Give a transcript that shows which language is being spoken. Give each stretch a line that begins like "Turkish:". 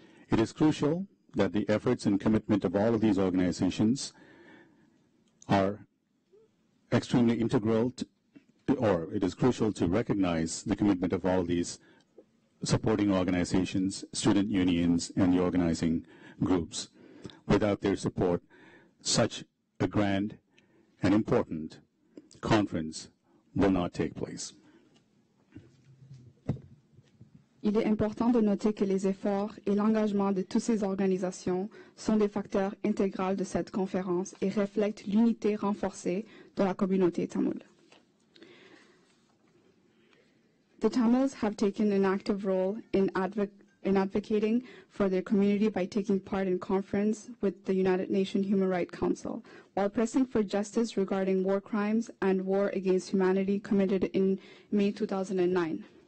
English: It is crucial that the efforts and commitment of all of these organizations are extremely integral to recognize the commitment of all of these supporting organizations, student unions, and the organizing groups. Without their support, such a grand and important conference will not take place.
French: Il est important de noter que les efforts et l'engagement de toutes ces organisations sont des facteurs intégrants de cette conférence et reflètent l'unité renforcée de la communauté tamoule.
English: The Tamils have taken an active role in advocating for their community by taking part in conference with the United Nations Human Rights Council, while pressing for justice regarding war crimes and war against humanity committed in May 2009.